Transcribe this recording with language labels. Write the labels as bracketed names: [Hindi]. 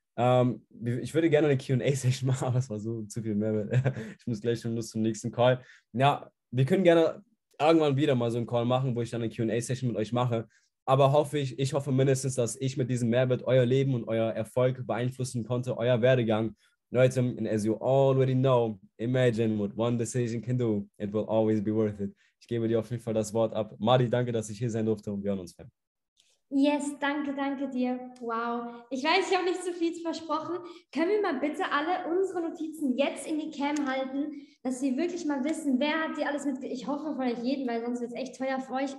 [German] Ich würde gerne eine Q&A-Session machen, aber es war so zu viel Mehrwert. Ich muss gleich schon los zum nächsten Call. Ja, wir können gerne irgendwann wieder mal so einen Call machen, wo ich dann eine Q&A-Session mit euch mache. Aber ich hoffe mindestens, dass ich mit diesem Mehrwert euer Leben und euer Erfolg beeinflussen konnte, euer Werdegang. [English] Leute, and as you already know, imagine what one decision can do. It will always be worth it. [German] Ich gebe dir auf jeden Fall das Wort ab. Madi, danke, dass ich hier sein durfte und wir hören uns fern. Yes, danke, danke dir. Wow. Ich weiß, ich habe nicht so viel versprochen. Können wir mal bitte alle unsere Notizen jetzt in die Cam halten, dass sie wirklich mal wissen, wer hat dir alles mitgegeben? Ich hoffe von euch jeden, weil sonst wird es echt teuer für euch.